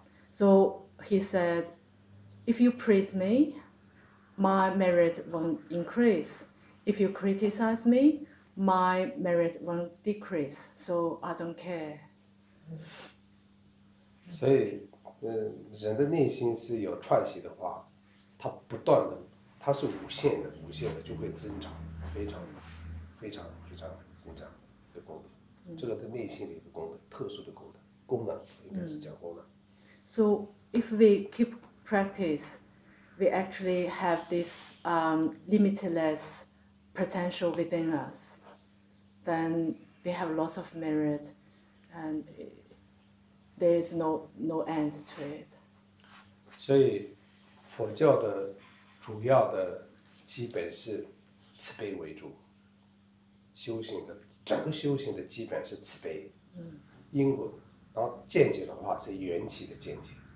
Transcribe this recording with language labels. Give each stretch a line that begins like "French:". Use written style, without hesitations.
English: So he said, if you praise me, my merit won't increase. If you criticize me, my merit won't decrease. So I don't care.
Chinese: 所以，人的内心是有串习的话，它不断的，它是无限的，无限的就会增长，非常，非常，非常增长的功德。这个对内心的一个功德，特殊的功德，功能应该是叫功能。
English: So if we keep practice, we actually have this limitless potential within us. Then we have lots of merit, and there is no end to it.
Chinese: 所以，佛教的主要的基本是慈悲为主。修行的整个修行的基本是慈悲。因果，然后见解的话是缘起的见解。